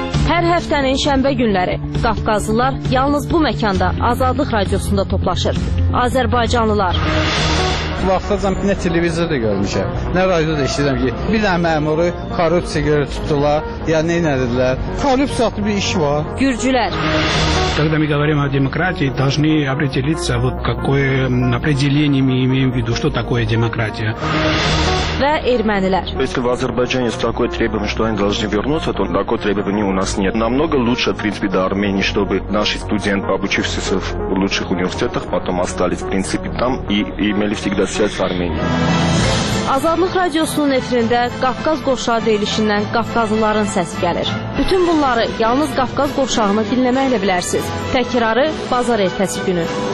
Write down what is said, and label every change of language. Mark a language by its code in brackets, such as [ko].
[az] Hər həftənin şənbə günləri Qafqazlılar yalnız bu məkanda Azadlıq Radiosunda toplaşır. Azərbaycanlılar. Vaxtacam nə televizorda görmüşəm, nə radioda işləyirəm ki, bir dənə məmuru korrupsiya görə tutdular, ya nə edirlər? Korrupsiya adlı bir iş var. Gürcülər. [ru] Когда мы говорим о демократии, должны определиться, вот какое определение мы имеем в виду, что такое демократия. [az] Ve ermənilər. [ru] Если в Азербайджане есть такое требование, что они должны вернуться, то такое требование у нас нет. Намного лучше, в принципе, до Армении, чтобы наши студенты, обучившиеся в лучших университетах, потом остались, в принципе, там и имели всегда связь с Арменией. [az] Azadlıq Radiosunun efirində Qafqaz Qovşağı deyilişindən Qafqazlıların səsi gəlir. Bütün bunları yalnız Qafqaz Qovşağını dinləməklə bilərsiniz. Təkrarı bazar ertəsi günü.